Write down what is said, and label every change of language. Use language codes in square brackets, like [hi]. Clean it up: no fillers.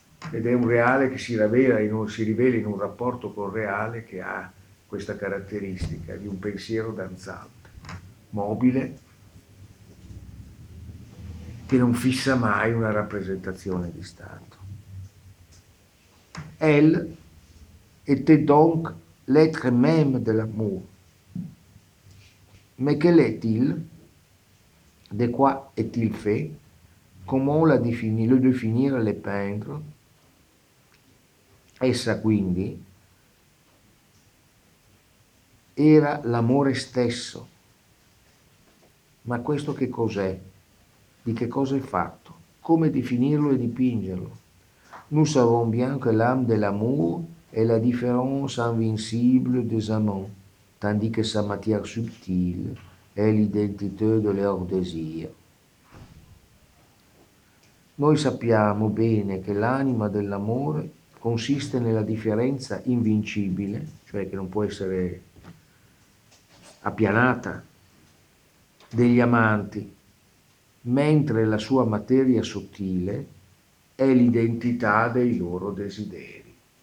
[it] Ed è un reale che si rivela in un rapporto col reale che ha questa caratteristica di un pensiero danzante, mobile, che non fissa mai una rappresentazione di stato. [fr] Elle était donc l'être même de l'amour. Mais quel est-il? De quoi est-il fait? Comment la défini, le définir, le peindre? [it] Essa quindi era l'amore stesso. Ma questo che cos'è? Di che cosa è fatto? Come definirlo e dipingerlo? [fr] Nous savons bien que l'âme de l'amour est la différence invincible des amants, tandis que sa matière subtile est l'identité de leur désir. [it] Noi sappiamo bene che l'anima dell'amore consiste nella differenza invincibile, cioè che non può essere appianata, degli amanti, mentre la sua materia sottile è l'identità dei loro desideri.